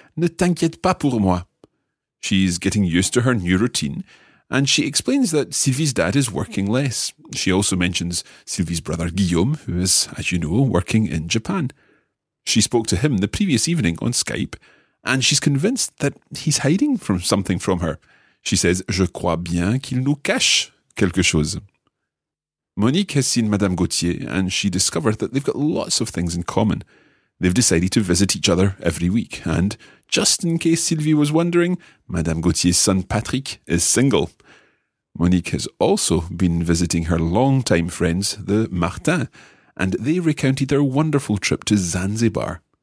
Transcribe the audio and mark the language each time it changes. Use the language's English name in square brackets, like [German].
[French] Ne t'inquiète pas pour moi. [English] She's getting used to her new routine, and she explains that Sylvie's dad is working less. She also mentions Sylvie's brother Guillaume, who is, as you know, working in Japan. She spoke to him the previous evening on Skype, and she's convinced that he's hiding from something from her. She says, [French] je crois bien qu'il nous cache quelque chose. [English] Monique has seen Madame Gauthier and she discovered that they've got lots of things in common. They've decided to visit each other every week and, just in case Sylvie was wondering, Madame Gauthier's son Patrick is single. Monique has also been visiting her long-time friends, the Martins, and they recounted their wonderful trip to Zanzibar.